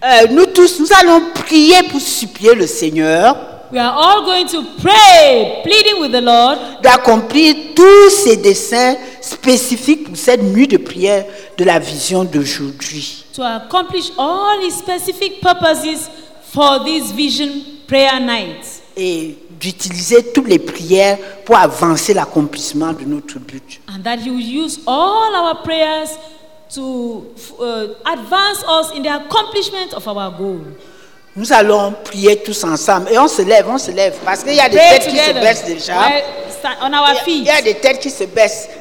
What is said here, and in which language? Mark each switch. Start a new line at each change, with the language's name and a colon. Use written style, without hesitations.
French: Nous tous, nous allons prier pour supplier le Seigneur.
English: We are all going to pray, pleading with the Lord,
French: d'accomplir tous ses desseins spécifiques pour cette nuit de prière de la vision d'aujourd'hui.
English: To accomplish all his specific purposes for this vision prayer night.
French: Et d'utiliser toutes les prières pour avancer l'accomplissement de notre but.
English: And that he will use all our prayers to advance us in the accomplishment of our goal.
French: Nous allons prier tous ensemble et on se lève parce qu'il y a des têtes qui se baissent déjà.
English: On our feet.
French: Il y a des têtes qui se baissent.